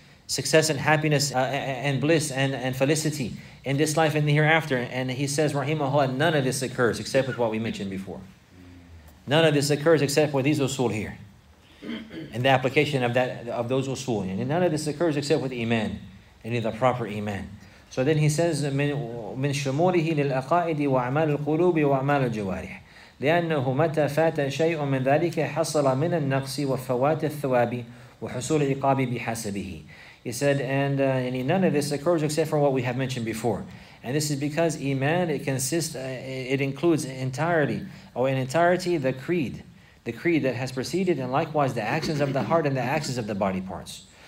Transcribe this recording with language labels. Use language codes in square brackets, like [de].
[en] Success and happiness and bliss and felicity in this life and the hereafter. And he says, Rahimahullah, none of this occurs except with what we mentioned before. None of this occurs except with these usul here. And the application of that of those usul. And none of this occurs except with iman. And the proper iman. So then he says, [ar] مِنْ شُمُورِهِ لِلْأَقَائِدِ وَأَعْمَالِ الْقُلُوبِ وَأَعْمَالِ الْجَوَارِحِ لِأَنَّهُ مَتَى فَاتَ شَيْءٌ مِنْ ذَلِكَ حَصَلَ مِنَ النَّقْصِ وَفَوَاتِ الثَّوَابِ وَحُصُولِ الْعِقَابِ بِحَسَبِهِ. [en] He said, and none of this occurs except for what we have mentioned before. And this is because iman, it includes in entirety the creed that has preceded, and likewise the actions of the heart and the actions of the body parts.